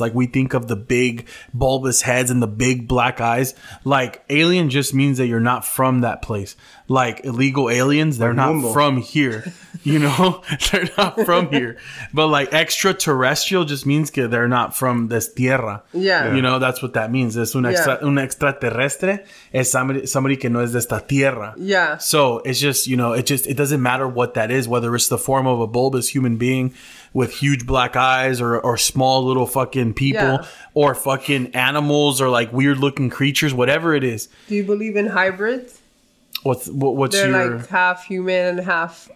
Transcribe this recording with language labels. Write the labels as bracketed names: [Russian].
[English] Like we think of the big bulbous heads and the big black eyes. Like alien just means that you're not from that place. Like illegal aliens, they're not from here. You know, they're not from here. But like extraterrestrial just means que they're not from this tierra. Yeah. You know, that's what that means. [Spanish] Es un extraterrestre es somebody que no es de esta tierra. [English] Yeah. So it's just, you know, it doesn't matter what that is, whether it's the form of a bulbous human being with huge black eyes or small little fucking people or fucking animals or like weird looking creatures, whatever it is. Do you believe in hybrids? What's like half human and half...